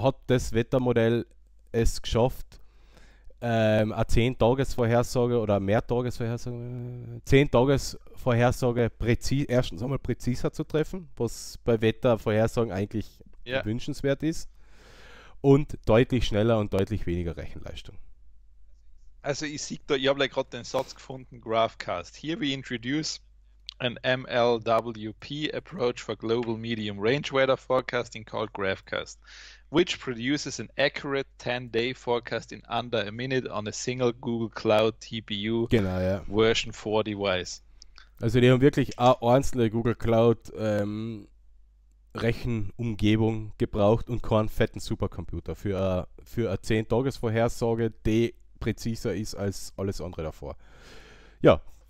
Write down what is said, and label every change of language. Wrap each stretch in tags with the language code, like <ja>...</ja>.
<de>hat das Wettermodell es geschafft, eine 10-Tages-Vorhersage oder mehr Tages-Vorhersage, 10-Tages-Vorhersage erstens einmal präziser zu treffen, was bei Wettervorhersagen eigentlich Ja. wünschenswert ist, und deutlich schneller und deutlich weniger Rechenleistung. Also ich sehe da, ich habe gerade den Satz gefunden, Graphcast.</de> <en>Here we introduce an MLWP approach for global medium range weather forecasting called Graphcast, which produces an accurate 10-day forecast in under a minute on a single Google Cloud TPU</en> <de>Genau, ja.</de> <en>Version 4 Device.</en> <de>Also die haben wirklich eine einzelne Google Cloud Rechenumgebung gebraucht und keinen fetten Supercomputer für eine 10-Tages-Vorhersage, die präziser ist als alles andere davor. Ja.</de>